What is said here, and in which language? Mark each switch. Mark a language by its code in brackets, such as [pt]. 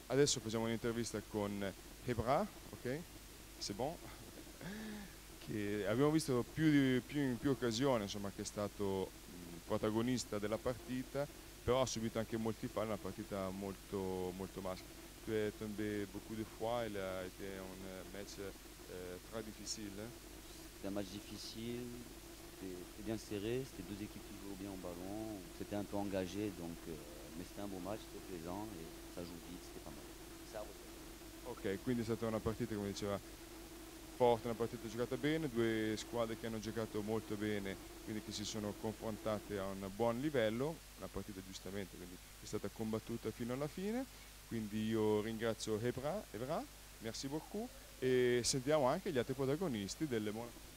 [it] Adesso facciamo un'intervista con Hebra, ok? [fr] C'est bon? [it] Che abbiamo visto più occasioni, insomma, che è stato protagonista della partita, però ha subito anche molti falli, una partita molto molto maschile. [fr] Tu hai tombé beaucoup de fois, c'était un match très difficile. C'était un match difficile. C'était bien serré, c'était deux équipes qui jouaient bien au ballon, c'était un peu engagé, mais c'était un beau match, c'était plaisant et ça joue vite, c'était pas mal. [it] Ok, quindi è stata una partita, come diceva, forte, una partita giocata bene, due squadre che hanno giocato molto bene, quindi che si sono confrontate a un buon livello, una partita giustamente, quindi è stata combattuta fino alla fine. Quindi io ringrazio Hebra, [fr] merci beaucoup, [it] e sentiamo anche gli altri protagonisti delle Monaco.